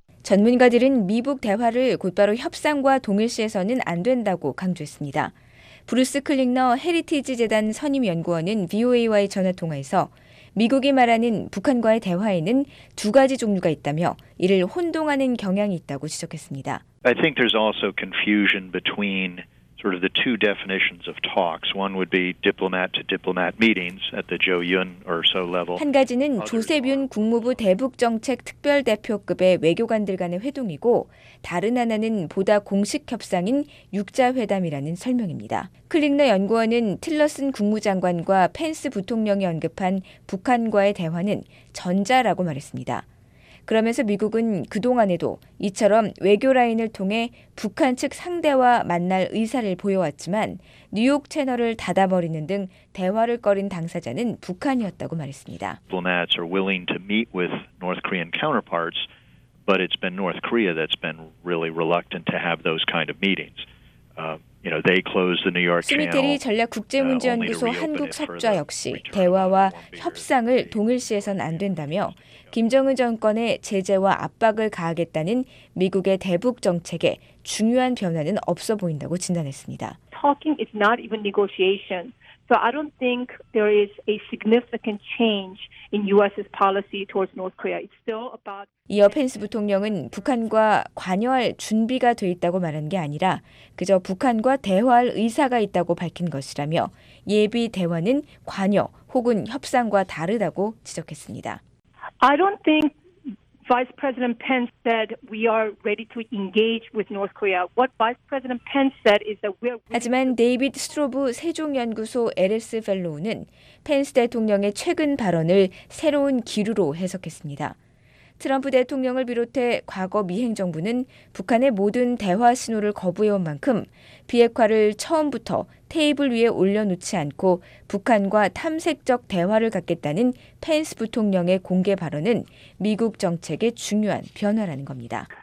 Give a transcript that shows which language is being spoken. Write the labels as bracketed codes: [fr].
[ko] 전문가들은 미북 대화를 곧바로 협상과 동일시해서는 안 된다고 강조했습니다. 브루스 클링너 헤리티지 재단 선임연구원은 VOA와의 전화통화에서 미국이 말하는 북한과의 대화에는 두 가지 종류가 있다며 이를 혼동하는 경향이 있다고 지적했습니다. [en] I think there's also confusion between sort of the two definitions of talks. One would be diplomat to diplomat meetings at the Zhou Yun or so level. [ko] 한 가지는 조세윤 국무부 대북정책 특별대표급의 외교관들 간의 회동이고 다른 하나는 보다 공식 협상인 육자회담이라는 설명입니다. 클링너 연구원은 틸러슨 국무장관과 펜스 부통령이 언급한 북한과의 대화는 전자라고 말했습니다. 그러면서 미국은 그동안에도 이처럼 외교 라인을 통해 북한 측 상대와 만날 의사를 보여왔지만 뉴욕 채널을 닫아버리는 등 대화를 꺼린 당사자는 북한이었다고 말했습니다. [en] Diplomats are willing to meet with North Korean counterparts, but it's been North Korea that's been really reluctant to have those kind of meetings. They closed the New York Channel. [ko] 스미테리 전략국제문제연구소 한국 석좌 역시 대화와 협상을 동일시해선 안 된다며 김정은 정권의 제재와 압박을 가하겠다는 미국의 대북 정책에 중요한 변화는 없어 보인다고 진단했습니다. [en] Talking is not even negotiation. So I don't think there is a significant change in U.S.'s policy towards North Korea. It's still about. [ko] 이어 펜스 부통령은 북한과 관여할 준비가 돼 있다고 말한 게 아니라 그저 북한과 대화할 의사가 있다고 밝힌 것이라며 예비 대화는 관여 혹은 협상과 다르다고 지적했습니다. [en] I don't think Vice President Pence said we are ready to engage with North Korea. What Vice President Pence said is that we are. [ko] 하지만 데이비드 스트로브 세종연구소 LS 펠로우는 펜스 대통령의 최근 발언을 새로운 기류로 해석했습니다. 트럼프 대통령을 비롯해 과거 미 행정부는 북한의 모든 대화 신호를 거부해온 만큼 비핵화를 처음부터 테이블 위에 올려놓지 않고 북한과 탐색적 대화를 갖겠다는 펜스 부통령의 공개 발언은 미국 정책의 중요한 변화라는 겁니다.